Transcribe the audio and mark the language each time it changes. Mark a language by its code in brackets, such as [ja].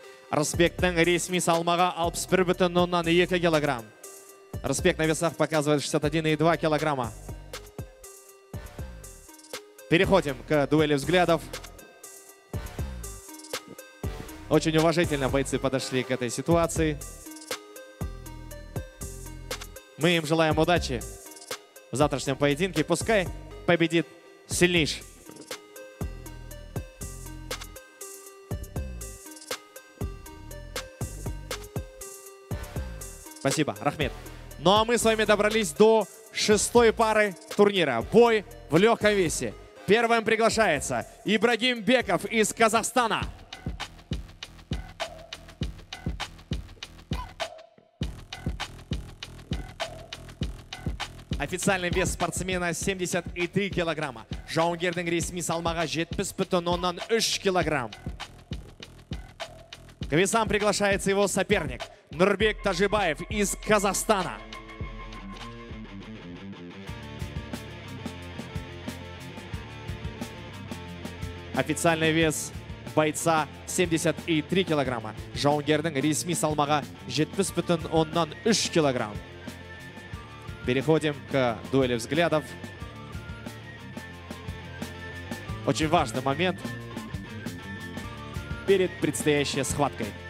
[kk] Рысбектің ресми салмағы 61,2 килограмм. [ru] Рысбек на весах показывает 61,2 килограмма. Переходим к дуэли взглядов. Очень уважительно бойцы подошли к этой ситуации. Мы им желаем удачи в завтрашнем поединке. Пускай победит сильнейший. Спасибо, [kk] Рахмет. [ru] Ну а мы с вами добрались до шестой пары турнира. Бой в легком весе. Первым приглашается Ибрагим Беков из Казахстана. Официальный вес спортсмена 73 килограмма. [kk] Жаунгердің ресми салмағы 73 килограмм. [ru] К весам приглашается его соперник. Нурбек Тажибаев из Казахстана. Официальный вес бойца 73 килограмма. [kk] Жаунгердің ресми салмағы 73 килограмм. [ru] Переходим к дуэли взглядов. Очень важный момент перед предстоящей схваткой.